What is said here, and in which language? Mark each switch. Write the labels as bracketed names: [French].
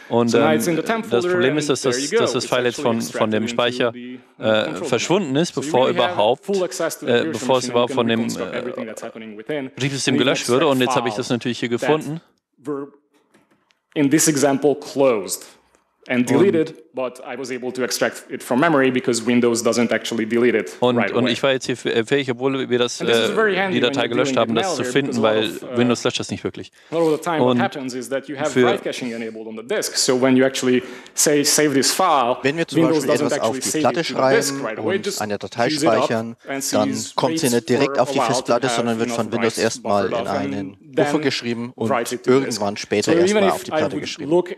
[German] Das Problem ist, dass das File jetzt von dem Speicher verschwunden ist, bevor es überhaupt von dem Betriebssystem gelöscht wurde. Und jetzt habe ich das natürlich hier gefunden. [English] In this example, closed and deleted, but I was able to extract it from memory because Windows doesn't actually delete it right away. [German] Und ich war jetzt hier fähig, obwohl wir das die Datei gelöscht haben, das zu finden, weil Windows löscht das nicht wirklich. Und für wenn wir zum Beispiel etwas auf die Platte schreiben und eine Datei speichern, dann kommt sie nicht direkt auf die Festplatte, sondern wird von Windows erstmal in einen Buffer geschrieben und irgendwann später erstmal auf die Platte geschrieben.